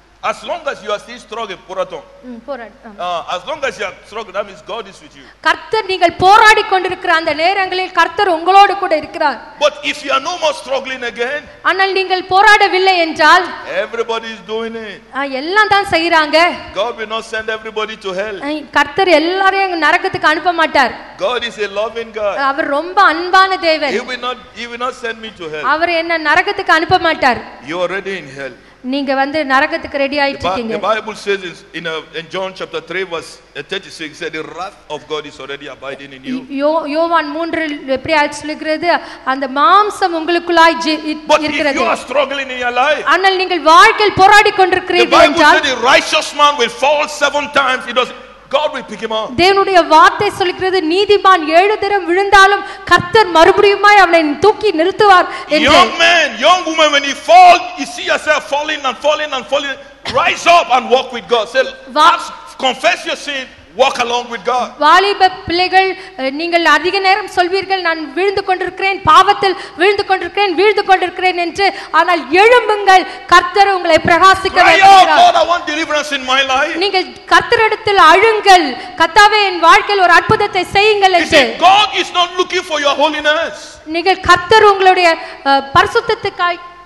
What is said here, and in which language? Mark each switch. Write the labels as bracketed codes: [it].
[en] As long as you are still struggling [ta] poratom. [en] As long as you are struggling that means God is with you. [ta] கர்த்தர் நீங்கள் போராடி கொண்டிருக்கிற அந்த நேரங்களில் கர்த்தர் உங்களோடு கூட இருக்கிறார். [en] But if you are no more struggling again. [ta] ஆனால் நீங்கள் போராடவில்லை என்றால் [en] Everybody is doing it. [ta] எல்லாரும் தான் செய்றாங்க. [en] God will not send everybody to hell. [ta] கர்த்தர் எல்லாரையும் நரகத்துக்கு அனுப்ப மாட்டார். [en] God is a loving God. [ta] அவர் ரொம்ப அன்பான தேவன். [en] He will not send me to hell. [ta] அவர் என்ன நரகத்துக்கு அனுப்ப மாட்டார். [en] You are already in hell. [ta] நீங்க வந்து நரகத்துக்கு ரெடி ஆயிட்டீங்க. [en] The Bible says in John chapter 3 verse 36 said the wrath of God is already abiding in you. [ta] யோவான் 3 எப்படி ஆயிச்சு சொல்கிறது அந்த மாம்சம் உங்களுக்குள்ளாய் இருக்கிறது. [en] But if you are struggling in your life. [ta] ஆனால் நீங்கள் வாழ்க்கையில் போராடி கொண்டிருக்கிறீர்கள் என்றால் [en] The righteous man will fall 7 times it was God will pick him up. [ta] தேவனுடைய வார்த்தை சொல்கிறது நீதிமான் 7 தரம் விழுந்தாலும் கர்த்தர் மறுபடியும் அவனை தூக்கி நிறுத்துவார் என்று. [en] Young man, young woman when you fall, you see yourself falling and falling and falling, rise up and walk with God. Say, confess your sin, walk along with God. [ta] வாலிப பிள்ளைகள் நீங்கள் அதிக நேரம் சொல்வீர்கள் நான் விழுந்து கொண்டிருக்கிறேன் பாவத்தில் விழுந்து கொண்டிருக்கிறேன் என்று ஆனால் எழும்புங்கள் கர்த்தர் உங்களை பிரகாசிக்க வைக்கிறார் நீங்கள் கர்த்தரிடத்தில் அழுங்கள் கர்த்தாவே என் வாழ்க்கையில் ஒரு அற்புதத்தை செய்யுங்கள் என்று [en] God is not looking for your holiness [ta] நீங்கள் கர்த்தர் உங்களுடைய பரிசுத்தத்துக்காய்